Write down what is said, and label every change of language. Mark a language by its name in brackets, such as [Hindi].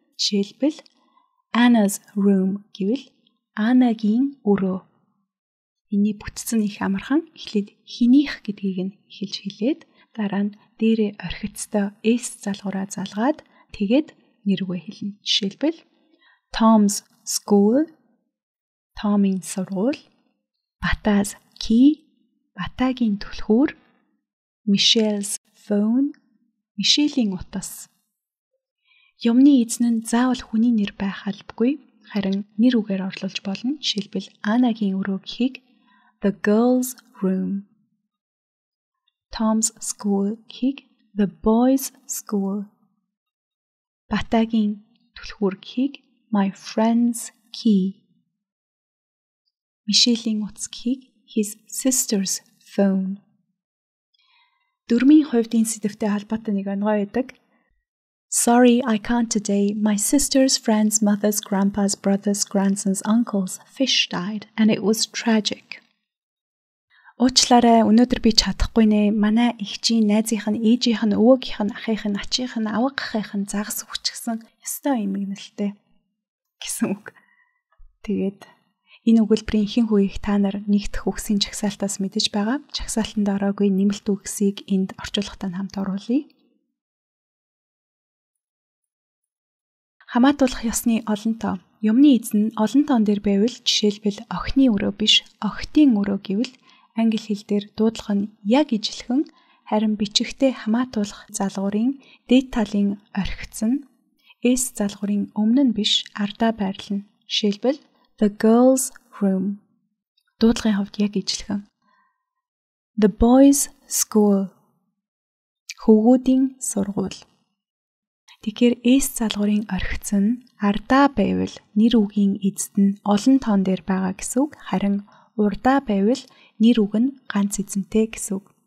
[Mongolian] Жишээлбэл [English] Anna's room [Mongolian] гэвэл Anna-гийн өрөө. Энийг бүтцэн их амархан эхлээд хинийх гэдгийг нь эхэлж хэлээд дараа нь дээрээ орхицтой S залгуураа залгаад тэгээд нэрвээ хэлнэ. Жишээлбэл [English] Tom's school, [Mongolian] Tom-ийн сургууль, [English] Bata's key, [Mongolian] Bata-гийн түлхүүр, [English] Michelle's phone, [Mongolian] Michelle-ийн утас. Юмны эзэн нь заавал хүний нэр байх албагүй, харин нэр үгээр орлуулж болно. Жишээлбэл Anna-гийн өрөө гэхийг [English] the girl's room, [Mongolian] Tom's school гэхийг [English] the boy's school, [Mongolian] Bata-гийн түлхүүр гэхийг [English] my friend's key, [Mongolian] Michelle-ийн утас гэхийг [English] his sister's phone. [Mongolian] Дүрмийн хувьдийн сэдвтэй холбоотой нэг онгой байдаг. [English] Sorry, I can't today. My sister's friend's mother's grandpa's brother's grandson's uncle's fish died and it was tragic. [Mongolian] Уучлаарай, өнөөдөр би чадахгүй нэ. Манай эхчийн найзынх нь, ээжийнх нь, өвөөгийнх нь, ахынх нь, ачийнх нь, авгахынх нь загас үхчихсэн. Ёстой эмгэнэлтэй гэсэн үг. Тэгээд энэ өгүүлбэрийн ихэнх хувийг та нар нэгдэх үгсийн жагсаалтаас мэдэж байгаа. Жагсаалтанд ороогүй нэмэлт үгсийг энд орчуулгатай хамт оруулъя. Хамаатуулах ёсны олонтоо. Юмны эзэн олонтоон дээр байвал жишээлбэл охины өрөө биш, охтийн өрөө гэвэл англи хэл дээр дуудлага нь яг ижилхэн харин бичигтэй хамаатуулах залгуурын дээд талын орхицсон S залгуурын өмнө нь биш, ардаа байрлана. Жишээлбэл [English] the girl's room. [Mongolian] Дуудлагын хувьд яг ижилхэн. [English] The boy's school. [Mongolian] Хүүхдийн сургууль. Тэгэхээр S залгуурын орхицсон ардаа байвал нэр үгийн эзэд нь олон тоон дээр байгаа гэсэн үг, харин урдаа байвал нэр үг нь ганц эзэнтэй гэсэн үг.